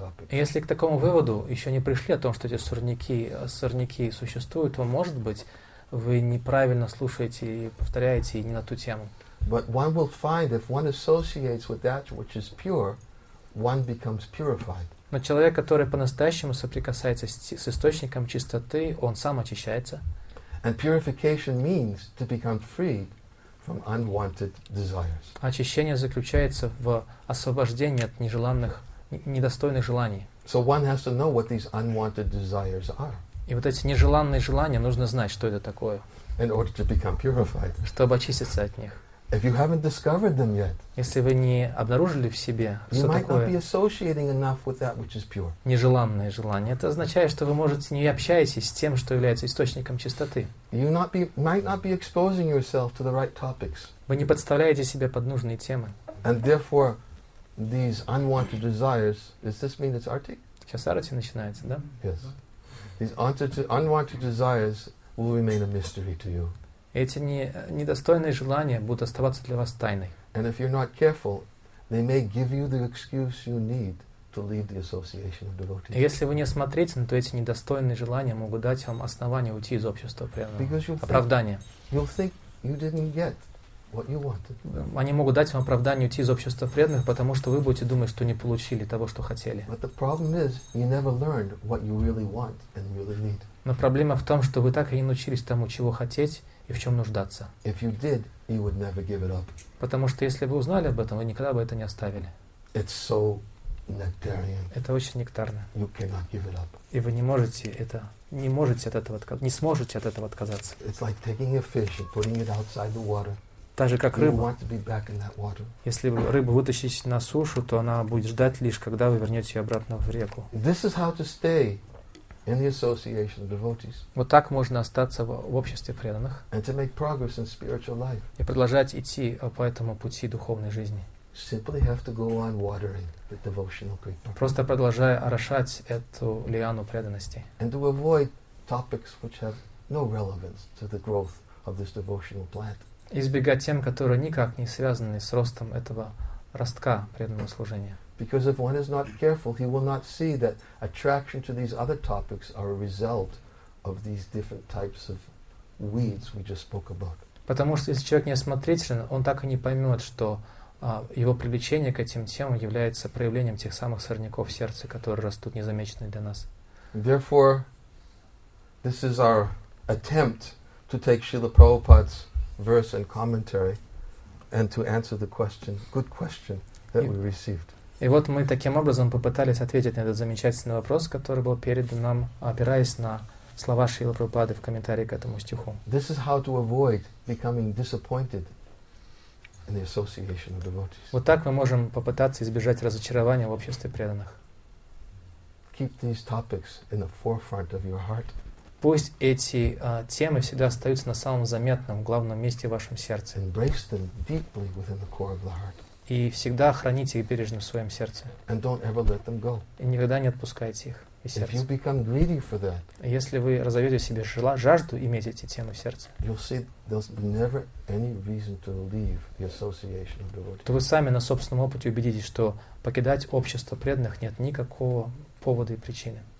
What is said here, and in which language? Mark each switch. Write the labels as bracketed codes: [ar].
[ru] Если к такому выводу еще не пришли о том, что эти сорняки существуют, то, может быть, вы неправильно слушаете и повторяете и не на ту тему. [en] But one will find, if one associates with that which is pure, one becomes purified. [ru] Но человек, который по-настоящему соприкасается с источником чистоты, он сам очищается. [en] And purification means to become freed from unwanted desires. [ru] Очищение заключается в освобождении от нежеланных, недостойных желаний. [en] So one has to know what these unwanted desires are. [ru] И вот эти нежеланные желания, нужно знать, что это такое. [en] In order to become purified. [ru] Чтобы очиститься от них. [en] If you haven't discovered them yet, [ru] если вы не обнаружили в себе, [en] you [ru] что [en] might [ru] такое [en] not be associating enough with that which is pure. [ru] Нежеланное желание, это означает, что вы, может, не общаетесь с тем, что является источником чистоты. [en] You not be, might not be exposing yourself to the right topics. [ru] Вы не подставляете себя под нужные темы. [en] And therefore, these unwanted desires, does this mean it's arti? [ru] Сейчас арти начинается, да? [en] Yes. These unwanted desires will remain a mystery to you. [ru] Эти недостойные желания будут оставаться для вас тайной. [en] And if you're not careful, they may give you the excuse you need to leave the association of devotees. [ru] И если вы не осмотрительны, то эти недостойные желания могут дать вам основание уйти из общества преданного. Оправдание. [en] You'll think you didn't get what you wanted. [ru] Они могут дать вам оправдание уйти из общества преданных, потому что вы будете думать, что не получили того, что хотели. [en] But the problem is, you never learned what you really want and really need. [ru] Но проблема в том, что вы так и не научились тому, чего хотеть и в чем нуждаться. [en] If you did, you would never give it up. [ru] Потому что если вы узнали об этом, вы никогда бы это не оставили. [en] It's so nectarian. [ru] Это очень нектарно. [en] You cannot give it up. [ru] И вы не сможете от этого отказаться. [en] It's like taking a fish and putting it outside the water. [ru] Так же, как рыба. [en] You want to be back in that water. [ru] Если рыбу вытащить на сушу, то она будет ждать лишь, когда вы вернете ее обратно в реку. [en] This is how to stay in the association of devotees. [ru] Вот так можно остаться в обществе преданных. [en] And to make progress in spiritual life. [ru] И продолжать идти по этому пути духовной жизни. [en] Simply have to go on watering the devotional creek. [ru] Просто продолжая орошать эту лиану преданности. [en] And to avoid topics which have no relevance to the growth of this devotional plant. [ru] Избегать тем, которые никак не связаны с ростом этого ростка преданного служения. [en] Because if one is not careful, he will not see that attraction to these other topics are a result of these different types of weeds we just spoke about. [ru] Потому что если человек неосмотрителен, он так и не поймет, что его привлечение к этим темам является проявлением тех самых сорняков в сердце, которые растут незамеченные для нас. [en] Therefore, this is our attempt to take Srila Prabhupada's verse and commentary and to answer the question, good question, that we received. [ru] И вот мы таким образом попытались ответить на этот замечательный вопрос, который был передан нам, опираясь на слова Шрилы Прабхупады в комментарии к этому стиху. [en] This is how to avoid becoming disappointed in the association of devotees. [ru] Вот так мы можем попытаться избежать разочарования в обществе преданных. [en] Keep these topics in the forefront of your heart. [ru] Пусть эти темы всегда остаются на самом заметном, главном месте в вашем сердце. [en] Embrace them deeply within the core of the heart. [ru] И всегда храните их бережно в своем сердце. [en] And don't ever let them go. [ru] И никогда не отпускайте их из сердца. [en] If you become greedy for that, [ru] если вы разовьете в себе жажду иметь эти темы в сердце, [en] you'll see there's never any reason to leave the association of devotees. [ru] То вы сами на собственном опыте убедитесь, что покидать общество преданных нет никакого повода и причины.